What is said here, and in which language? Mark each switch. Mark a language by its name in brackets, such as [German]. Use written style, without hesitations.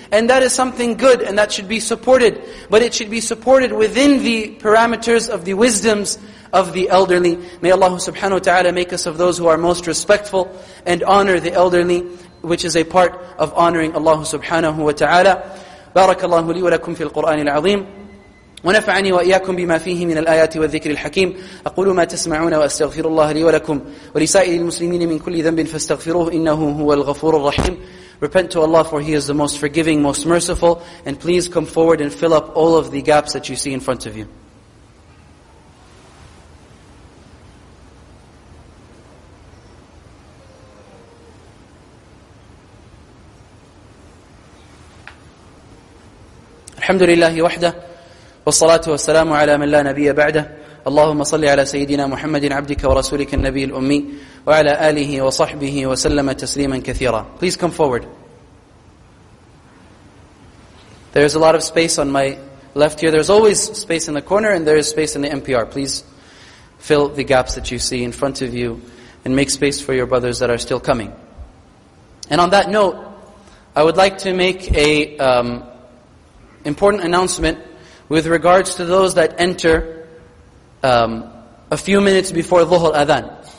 [English] And that is something good and that should be supported. But it should be supported within the parameters of the wisdoms of the elderly. May Allah subhanahu wa ta'ala make us of those who are most respectful and honor the elderly, which is a part of honoring Allah subhanahu wa ta'ala. [Arabic] بارك الله لي ولكم في القرآن العظيم ونفعني وإياكم بما فيه من الآيات والذكر الحكيم أقول ما تسمعون وأستغفر الله لي ولكم ولسائر المسلمين من كل ذنب فاستغفروه إنه هو الغفور الرحيم. [English] Repent to Allah, for He is the most forgiving, most merciful, and please come forward and fill up all of the gaps that you see in front of you. [Arabic] الحمد لله وحده والصلاة والسلام على من لا نبي بعده. اللهم صل على سيدنا محمد عبدك ورسولك النبي الأمي وعلى آله وصحبه وسلم تسليما كثيرا. [English] Please come forward. There is a lot of space on my left here. There's always space in the corner and there is space in the NPR. Please fill the gaps that you see in front of you and make space for your brothers that are still coming. And on that note, I would like to make a important announcement with regards to those that enter a few minutes before Dhuhr Adhan.